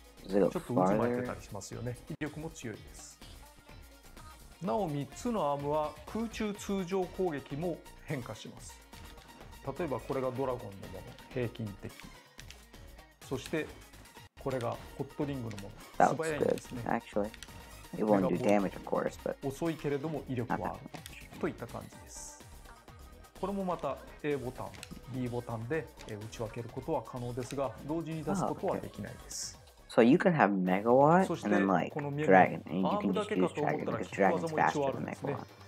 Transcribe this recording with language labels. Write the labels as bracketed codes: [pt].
[ja] ちょっと渦巻いてたりしますよね。威力も強いです。なお3つのアームは空中通常攻撃も変化します。例えばこれがドラゴンのもの、平均的。そしてこれがホットリングのもの、素早いですね。 [en] Actually, it won't do damage, of course, but [ja] 遅いけれども威力はあるといった感じです。これもまた A ボタン、B ボタンで打ち分けることは可能ですが、同時に出すことはできないです。 [en] So you can have megawatt and then like dragon, and you can just use dragon because dragon's faster than megawatt.